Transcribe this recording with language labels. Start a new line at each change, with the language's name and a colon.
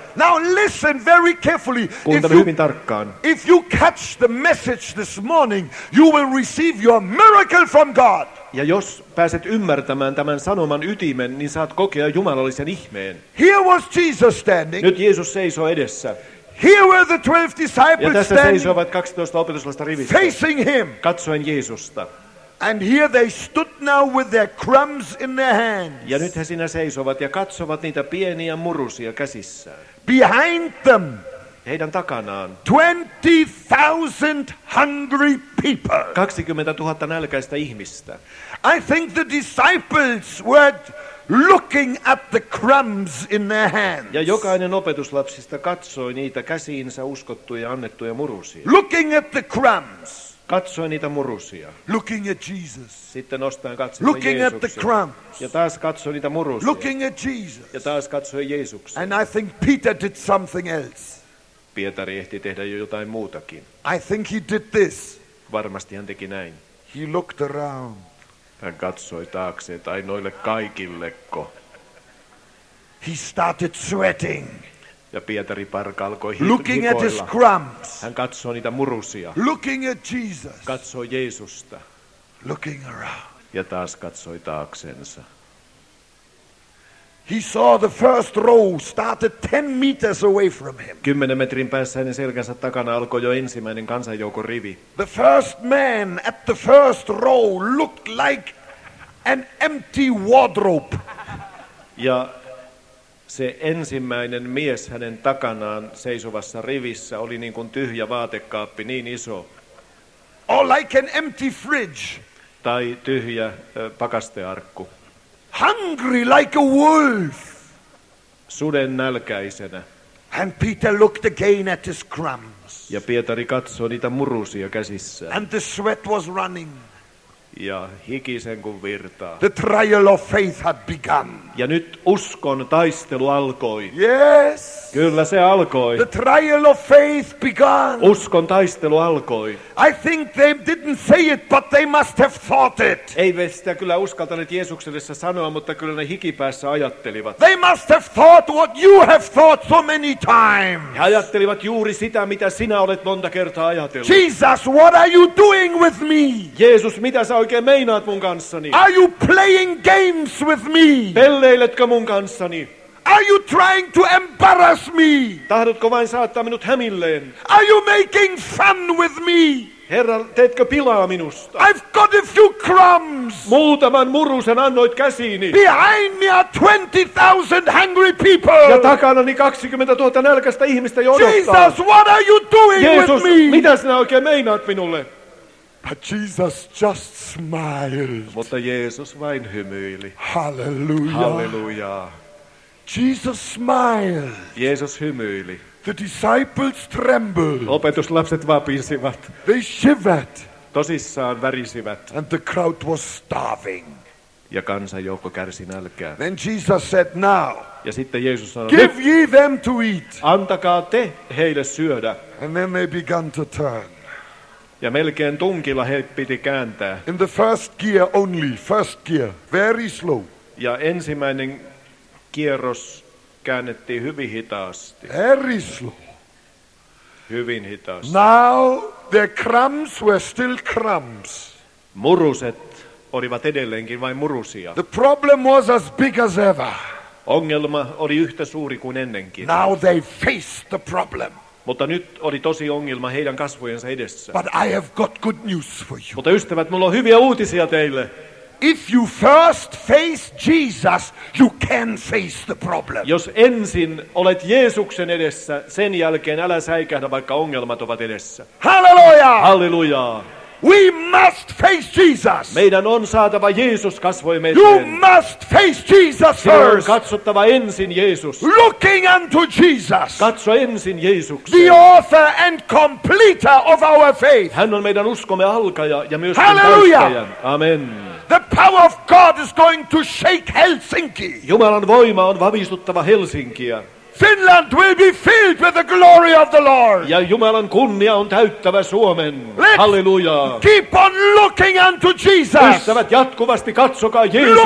English: Now listen very carefully. If you catch the message this morning, you will receive your miracle from God.
Finnish: Ja jos pääset ymmärtämään tämän sanoman ytimen, niin saat kokea jumalallisen ihmeen.
English: Here was Jesus standing.
Finnish: Nyt Jeesus seisoo edessä.
English: Here were the 12 disciples standing.
Finnish: Ja tässä seisoivat 12 opetuslasta rivissä.
English: Facing him.
Finnish: Katsoen Jeesusta.
English: And here they stood now with their crumbs in their hands.
Finnish: Ja nyt he siinä seisovat ja katsovat niitä pieniä murusia käsissään.
English: Behind them.
Finnish: Heidän takanaan.
English: 20,000 hungry people.
Finnish: 20,000 nälkäistä ihmistä.
English: I think the disciples were looking at the crumbs in their hands.
Finnish: Ja jokainen opetuslapsista katsoi niitä käsiinsä uskottuja ja annettuja murusia.
English: Looking at the crumbs.
Finnish: Katsoi niitä murusia.
English: Looking at Jesus.
Finnish: Sitten nostaen katsoi
English: Jeesuksen. Looking at the crumbs.
Finnish: Ja taas katsoi niitä murusia.
English: Looking at Jesus.
Finnish: Ja taas katsoi Jeesuksen.
English: And I think Peter did something else.
Finnish: Pietari ehti tehdä jo jotain muutakin.
English: I think he did this.
Finnish: Varmasti hän teki näin.
English: He looked around.
Finnish: Hän katsoi taakse, tai noille kaikilleko.
English: He started sweating.
Finnish: Ja Pietari parka alkoi
English: looking
Finnish: hikoilla.
English: At his crumbs.
Finnish: Hän katsoi niitä murusia.
English: Looking at Jesus.
Finnish: Katsoi Jeesusta.
English: Looking around.
Finnish: Ja taas katsoi taaksensa.
English: He saw the first row started 10 meters away from him.
Finnish: 10 metrin päässä hänen selkänsä takana alkoi jo ensimmäinen kansanjoukon rivi.
English: The first man at the first row looked like an empty wardrobe.
Finnish: Ja se ensimmäinen mies hänen takanaan seisovassa rivissä oli niin kuin tyhjä vaatekaappi, niin iso.
English: Or like an empty fridge.
Finnish: Tai tyhjä pakastearkku.
English: Hungry like a wolf.
Finnish: Suden nälkäisenä.
English: And Peter looked again at his crumbs.
Finnish: Ja Pietari katsoi niitä murusia käsissä.
English: And the sweat was running.
Finnish: Ja hikisen kuin virtaa.
English: The trial of faith had begun.
Finnish: Ja nyt uskon taistelu alkoi.
English: Yes.
Finnish: Kyllä se alkoi.
English: The trial of faith began.
Finnish: Uskon taistelu alkoi.
English: I think they didn't say it, but they must have thought it.
Finnish: Eivät sitä kyllä uskaltaneet Jeesukselle sanoa, mutta kyllä ne hikipäässä ajattelivat.
English: They must have thought what you have thought so many times.
Finnish: He ajattelivat juuri sitä, mitä sinä olet monta kertaa ajatellut.
English: Jesus, what are you doing with me?
Finnish: Jeesus, mitä sä oikein meinaat mun kanssani?
English: Are you playing games with me?
Finnish: Pelleiletkö mun kanssani?
English: Are you trying to embarrass me?
Finnish: Tahdotko vain saattaa minut hämilleen?
English: Are you making fun with me?
Finnish: Herra, teetkö pilaa minusta?
English: I've got a few crumbs.
Finnish: Muutaman murusen annoit käsiini.
English: Behind me are 20,000 hungry people.
Finnish: Ja takanani 20,000 nälkästä ihmistä jo odottaa.
English: Jesus, what are you doing
Finnish: Jeesus,
English: with me?
Finnish: Mitä sinä oikein meinaat minulle?
English: But Jesus just smiled.
Finnish: Mutta Jeesus vain hymyili.
English: Hallelujah.
Finnish: Hallelujah.
English: Jesus smiled.
Finnish: Jeesus hymyili.
English: The disciples trembled.
Finnish: Opetuslapset vapisivat.
English: They shivered.
Finnish: Tosissaan värisivät.
English: And the crowd was starving.
Finnish: Ja kansanjoukko kärsi nälkää.
English: Then Jesus said now.
Finnish: Ja sitten Jeesus sanoi.
English: Give ye them to eat.
Finnish: Antakaa te heille syödä.
English: And then they began to turn.
Finnish: Ja melkein tunkilla he piti kääntää.
English: In the first gear only, first gear, very slow.
Finnish: Ja ensimmäinen kierros käännettiin hyvin hitaasti.
English: Very slow.
Finnish: Hyvin hitaasti.
English: Now the crumbs were still crumbs.
Finnish: Muruset olivat edelleenkin vain murusia.
English: The problem was as big as ever.
Finnish: Ongelma oli yhtä suuri kuin ennenkin.
English: Now they faced the problem.
Finnish: Mutta nyt oli tosi ongelma heidän kasvojensa edessä.
English: But I have got good news for you.
Finnish: Mutta ystävät, mulla on hyviä uutisia teille.
English: If you first face Jesus, you can face the problem.
Finnish: Jos ensin olet Jeesuksen edessä, sen jälkeen älä säikähdä, vaikka ongelmat ovat edessä.
English: Hallelujah!
Finnish: Hallelujah!
English: We must face Jesus.
Finnish: Meidän on saatava Jeesus kasvoimme.
English: You must face Jesus first.
Finnish: Sinun katsottava ensin Jeesus.
English: Looking unto Jesus.
Finnish: Katso ensin Jeesukseen.
English: The author and completer of our faith.
Finnish: Hän on meidän uskomme alkaja ja myös päättäjä. Amen.
English: The power of God is going to shake Helsinki.
Finnish: Jumalan voima on vavistuttava Helsinkiä.
English: Finland will be filled with the glory of the Lord.
Finnish: Ja Jumalan kunnia on täyttävä Suomen. Halleluja.
English: Keep on looking unto Jesus.
Finnish: Ystävät, jatkuvasti katsokaa Jeesukseen.